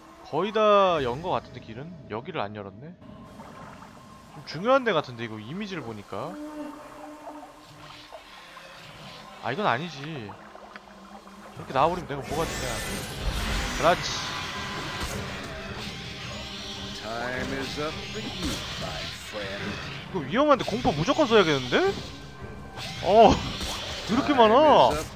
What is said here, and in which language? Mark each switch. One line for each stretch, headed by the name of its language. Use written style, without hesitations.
Korean: 거의 다 연 것 같은데 길은? 여기를 안 열었네? 좀 중요한 데 같은데 이거 이미지를 보니까. 아 이건 아니지. 이렇게 나와버리면 내가 뭐가 되냐. 그렇지.
English: Time is up for you, my friend.
Korean: 이거 위험한데 공포 무조건 써야겠는데? 어 이렇게 많아.